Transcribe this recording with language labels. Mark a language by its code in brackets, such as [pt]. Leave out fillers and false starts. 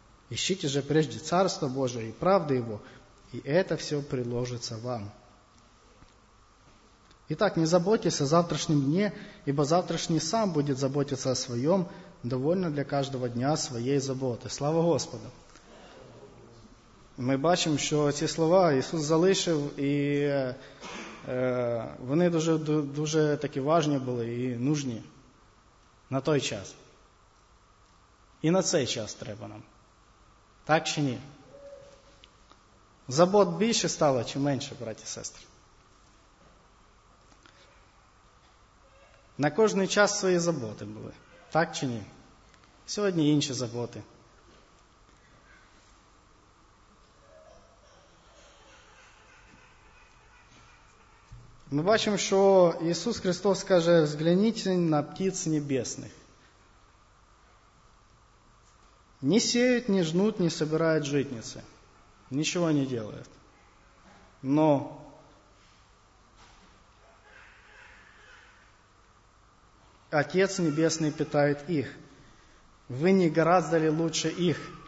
[ru] Ищите же прежде Царство Божие и правды Его, и это все приложится вам. Итак, не заботьтесь о завтрашнем дне, ибо завтрашний сам будет заботиться о своем, довольно для каждого дня своей заботы. Слава Господу! [uk] Ми бачимо, що ці слова Ісус залишив, і вони дуже, дуже такі важні були і нужні на той час. І на цей час треба нам. Так чи ні? Забот більше стало чи менше, браті і сестри? На кожний час свої заботи були. Так чи ні? Сьогодні інші заботи. Ми бачимо, що Ісус Христос каже: «Взгляніть на птиць небесних». [ru] Не сеют, не жнут, не собирают житницы. Ничего не делают. Но Отец Небесный питает их. Вы не гораздо ли лучше их?